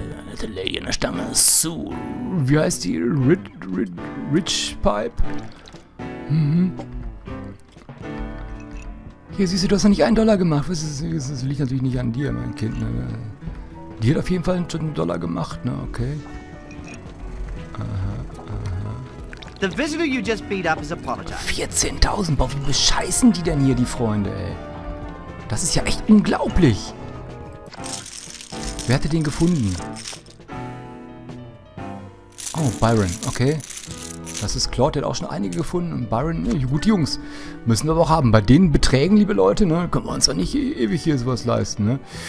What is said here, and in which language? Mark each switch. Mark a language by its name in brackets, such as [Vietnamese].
[German] Alte Lady in der Stange. So. Wie heißt die? Rich Pipe? Hier siehst du, du hast noch nicht einen Dollar gemacht. Das liegt natürlich nicht an dir, mein Kind. Ne? Die hat auf jeden Fall schon einen Dollar gemacht, ne? Okay. [English] The visitor you just beat up is apologizing. [German] 14.000, boah, wie bescheißen die denn hier, die Freunde, ey? Das ist ja echt unglaublich. Wer hatte den gefunden? Oh, Byron, okay. Das ist Claude, der hat auch schon einige gefunden. Und Byron, ne, gut, Jungs. Müssen wir aber auch haben. Bei den Beträgen, liebe Leute, ne, können wir uns doch nicht ewig hier sowas leisten, ne?